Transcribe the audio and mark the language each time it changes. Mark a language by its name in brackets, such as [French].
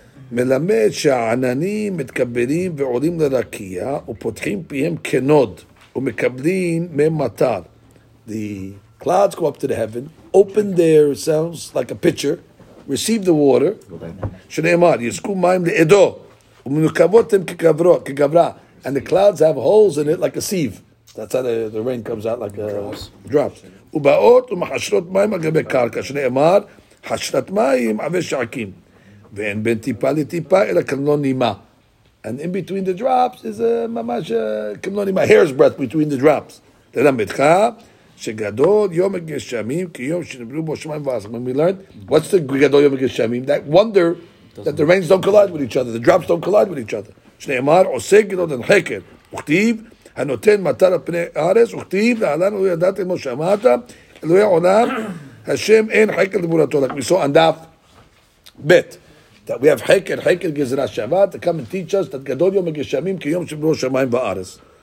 [English] The clouds go up to the heaven, open their cells like a pitcher, receive the water. And the clouds have holes in it like a sieve. That's how the rain comes out, like a drop. [Hebrew] ובאות ומחשרות מים על גבי קרקע, שנאמר, חשרת מים עבי שעקים. ואין בין טיפה לטיפה, אלא כמלון נימה. [English] And in between the drops is a [Hebrew] ממש כמלון נימה, [English] hair's breath between the drops. [Hebrew] ללמדך, שגדול יום הגשמים, כיום שנבלו בו שמיים ועסק. [English] When we learned, what's the [Hebrew] גדול יום הגשמים? [English] That wonder that the rains don't collide with each other, the drops don't collide with each other. [Hebrew] שנאמר, עושה גדול הנחקר, וכתיב, הנותן מטר על פני הארץ, וכתיב, להלן לא ידעתם לא שמעת, אלוהי העולם, השם אין חקר לבורתו, [English] like we saw on daf bet, that we have [Hebrew] חקר, חקר גזרה שווה, [English] to come and teach us, [Hebrew] that גדול יום הגשמים, כיום שבלו שמיים וארץ.